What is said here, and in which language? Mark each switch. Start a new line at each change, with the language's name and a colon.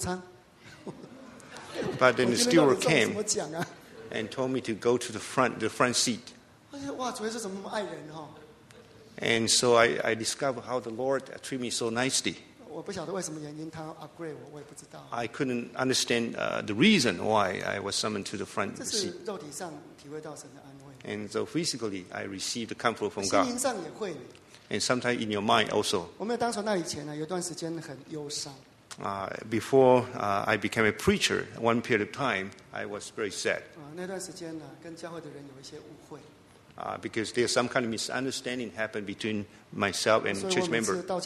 Chinese: 但是没有想到，那个一个公务员突然过来说：“哎，你过来。”我说：“什么事？哎，你到前面去坐，前面什么地方？商务舱。”
English: But then the steward came and told me to go to the front seat.
Chinese: 我说：“哇，主耶稣怎么那么爱人哈？”
English: And so I discovered how the Lord treat me so nicely.
Chinese: 我不晓得为什么原因他 upgrade 我也不知道。
English: I couldn't understand the reason why I was summoned to the front seat.
Chinese: 这是肉体上体会到神的安慰。
English: And so physically, I received comfort from God.
Chinese: 心灵上也会。
English: And sometimes in your mind also.
Chinese: 我没有当传道以前呢，有段时间很忧伤。
English: Before I became a preacher, one period of time, I was very sad.
Chinese: 那段时间呢，跟教会的人有一些误会。
English: Because there's some kind of misunderstanding happened between myself and church member.